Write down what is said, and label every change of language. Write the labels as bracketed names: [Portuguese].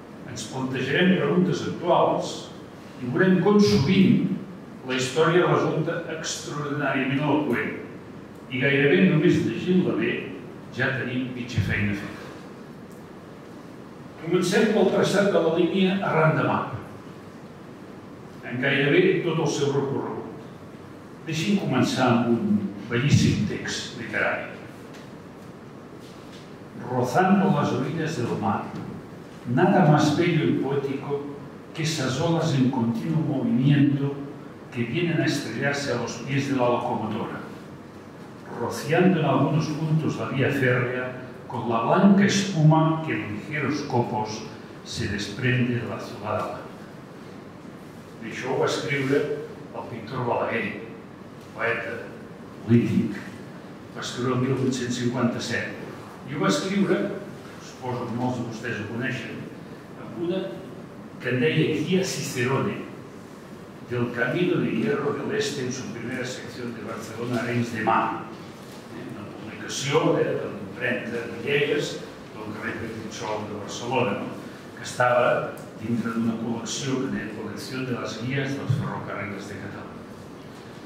[Catalan] Ens plantejarem preguntes actuals i veurem com sovint la història resulta extraordinàriament eloquent i gairebé només llegint-la bé ja tenim mitja feina feta. Comencem pel traçat de la línia arran de mar, en gairebé tot el seu recorregut. Deixin començar amb un bellíssim text literari. [Spanish] Rozando las orillas del mar, nada más bello y poético que esas olas en continuo movimiento que vienen a estrellarse a los pies de la locomotora, rociando en algunos puntos la vía férrea con la blanca espuma que en ligeros copos se desprende de la azulada. [Catalan] Això ho va escriure el pintor Balaguer, poeta, polític. Ho va escriure el 1857. I ho va escriure, suposo que molts de vostès ho coneixen, amb una que en deia Guía Cicerone, del Camino de Hierro del Este en su primera secció de Barcelona Arenys de Mar, una publicació de l'empremta de Villegas del carrer Petitxol de Barcelona, que estava dintre d'una col·lecció de la col·lecció de les guies dels ferrocarrils de Catalunya.